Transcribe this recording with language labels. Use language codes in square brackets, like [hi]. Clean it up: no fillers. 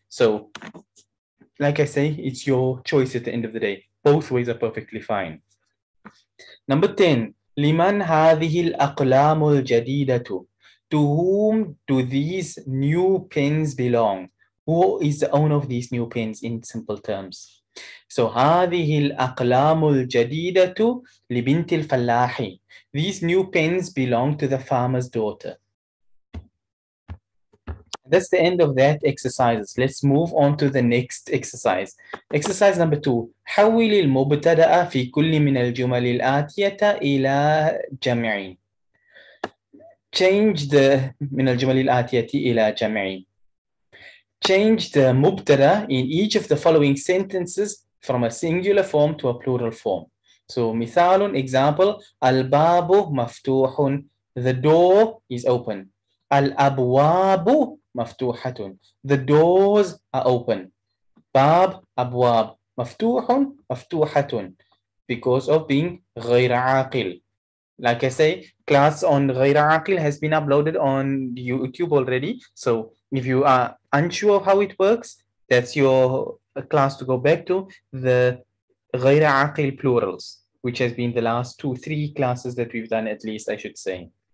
[en] So, like I say, it's your choice at the end of the day. Both ways are perfectly fine. Number 10. [ar] لِمَنْ هَذِهِ الْأَقْلَامُ الْجَدِيدَةُ [en] To whom do these new pens belong? Who is the owner of these new pens in simple terms? [ar] So هذه الأقلام الجديدة لبنت الفلاح. [en] These new pens belong to the farmer's daughter. That's the end of that exercise. Let's move on to the next exercise. Exercise number 2. [ar] حول المبتدأ في كل من الجمل الآتية إلى جمع. [en] Change the [ar] من الجمل الآتية إلى جمع. [en] Change the مبتدأ in each of the following sentences from a singular form to a plural form. So, مثال, example, [ar] الباب مفتوح, [en] the door is open. [ar] الأبواب مفتوحة, [en] the doors are open. [ar] باب, أبواب, مفتوح, مفتوحة, [en] because of being [ar] غير عاقل. [en] Like I say, class on غير عاقل has been uploaded on YouTube already. So, if you are unsure of how it works, that's your class to go back to, the غير عاقل plurals, which has been the last 2-3 classes that we've done, at least I should say.